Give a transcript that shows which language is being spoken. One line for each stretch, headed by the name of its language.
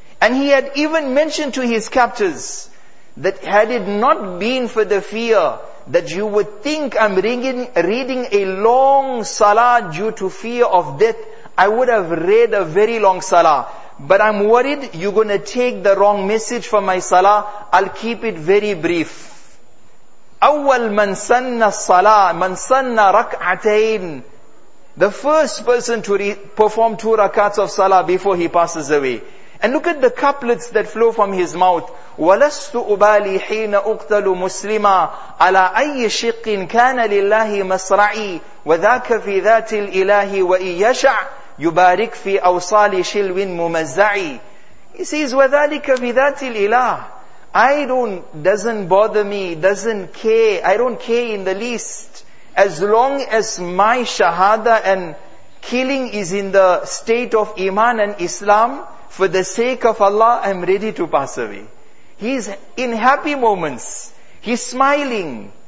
English: And he had even mentioned to his captors that had it not been for the fear that you would think I'm reading a long salah due to fear of death, I would have read a very long salah. But I'm worried you're going to take the wrong message from my salah. I'll keep it very brief.
Arabic: أول من سن الصلاة من سن ركعتين.
English: The first person to perform two rakats of salah before he passes away. And look at the couplets that flow from his mouth.
Arabic: وَلَسْتُ أُبَالِي حِينَ أُقْتَلُ مُسْلِمًا عَلَىٰ أَيِّ شِقٍ كَانَ لِلَّهِ مَسْرَعِي وَذَاكَ فِي ذَاتِ الْإِلَهِ وَإِنْ يَشَعْ يُبَارِكْ فِي أَوْصَالِ شِلْوٍ مُمَزَّعِي.
English: He says,
Arabic: وَذَلِكَ فِي ذَاتِ الْإِلَهِ.
English: Doesn't bother me, doesn't care, I don't care in the least. As long as my shahada and killing is in the state of Iman and Islam, for the sake of Allah, I'm ready to pass away. He's in happy moments. He's smiling.